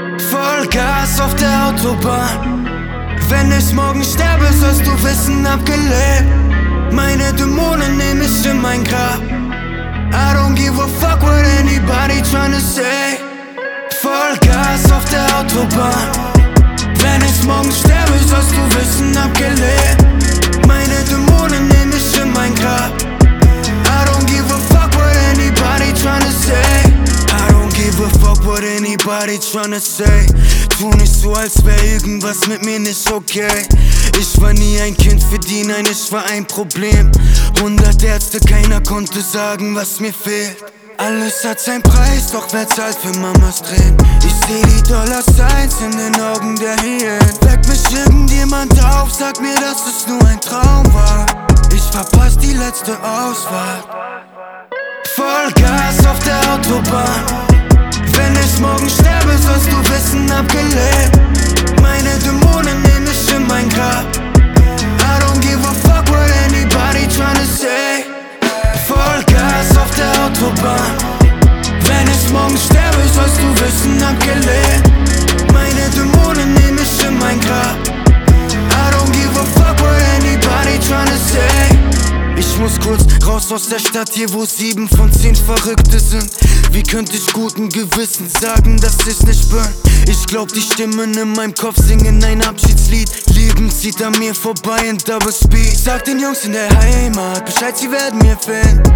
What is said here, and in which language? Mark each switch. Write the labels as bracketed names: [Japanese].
[German] Vollgas auf der Autobahn. Wenn ich morgen sterbe, sollst du wissen, hab gelebt. Meine Dämonen nehm ich in mein Grab. [English] I don't give a fuck what anybody tryna say. [German] Vollgas auf der Autobahn. Wenn ich morgen sterbe, sollst du wissen, hab gelebt. Meine Dämonen nehm ich in mein Grab. [English] I don't give a fuck what anybody tryna say. I don't give a fuck what anybody tryna say. [German] Tu nicht so, als wär irgendwas mit mir nicht okay. Ich war nie ein Kind für die, nein, ich war ein Problem. 100 Ärzte, keiner konnte sagen, was mir fehlt. Alles hat seinen Preis, doch wer zahlt für Mamas Tränen? Ich seh die Dollar-Signs in den Augen der Hyänen. Weckt mich irgendjemand auf, sagt mir, dass es nur ein Traum war. Ich verpass die letzte Ausfahrt. Vollgas auf der Autobahn. Wenn ich morgen sterbe, sollst du wissen, hab gelebt. Meine Dämonen nehm ich in mein Grab. [English] I don't give a fuck what anybody tryna say. [German] Vollgas auf der Autobahn. Wenn ich morgen sterbe, sollst du wissen, hab gelebt. Meine Dämonen nehm ich in mein Grab. [English] I don't give a fuck what anybody tryna say. [German] Ich muss kurz raus aus der Stadt hier, wo 7 von 10 Verrückte sind. Wie könnte ich guten Gewissens sagen, dass ich's nicht bin? Ich glaub, die Stimmen in meinem Kopf singen ein Abschiedslied. Leben zieht an mir vorbei in Double Speed. Sag den Jungs in der Heimat Bescheid, sie werden mir finden.